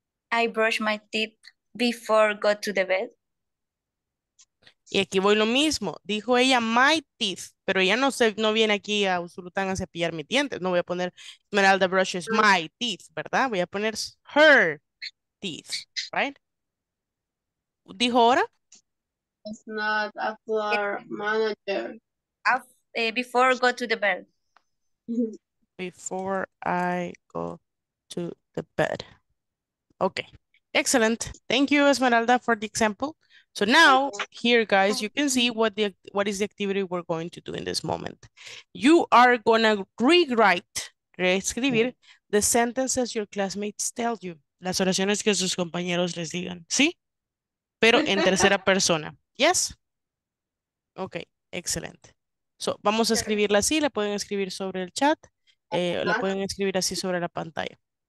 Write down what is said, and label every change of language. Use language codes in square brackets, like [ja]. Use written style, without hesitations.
[en] I brush my teeth before go to the bed. [es] Y aquí voy lo mismo. Dijo ella [en] my teeth, [es] pero ella no viene aquí a Usulután a cepillar mis dientes. No voy a poner [en] Esmeralda brushes my teeth, [es] ¿verdad? Voy a poner [en] her teeth, right? [es] ¿Dijo ahora? [en] It's not a floor manager. Before go to the bed. Before I go to the bed. Okay, excellent. Thank you, Esmeralda, for the example. So now, here, guys, you can see what is the activity we're going to do in this moment. You are gonna reescribir the sentences your classmates tell you. [es] Las oraciones que sus compañeros les digan, ¿sí? Pero en tercera persona, ¿yes? [en] Ok, excellent. [es] So, vamos a escribirla así, la pueden escribir sobre el chat, la pueden escribir así sobre la pantalla.